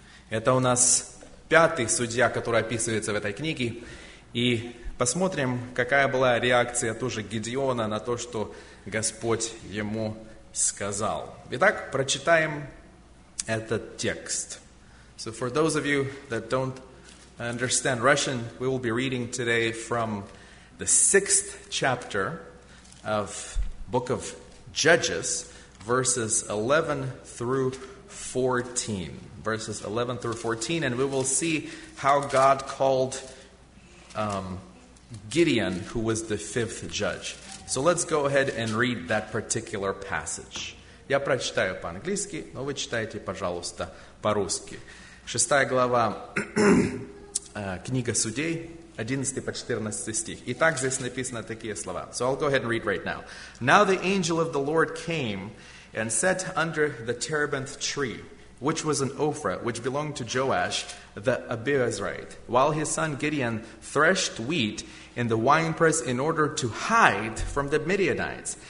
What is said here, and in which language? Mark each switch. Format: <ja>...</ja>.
<ru>Это у нас пятый судья, который описывается в этой книге. И посмотрим, какая была реакция тоже Гедеона на то, что Господь ему сказал. Итак, прочитаем этот текст.</ru> <en>So for those of you that don't understand Russian, we will be reading today from the sixth chapter of Book of Judges, verses 11 through 14. Verses 11 through 14, and we will see how God called Gideon, who was the fifth judge. So let's go ahead and read that particular passage.</en> <ru>Я прочитаю по-английски, но вы читайте, пожалуйста, по-русски. Шестая глава, книга Судей, 11 по 14 стих. Итак, здесь написано такие слова.</ru> <en>So I'll go ahead and read right now. Now the angel of the Lord came and sat under the terebinth tree, which was an Ophrah, which belonged to Joash, the Abiezrite, while his son Gideon threshed wheat in the winepress in order to hide from the Midianites.</en>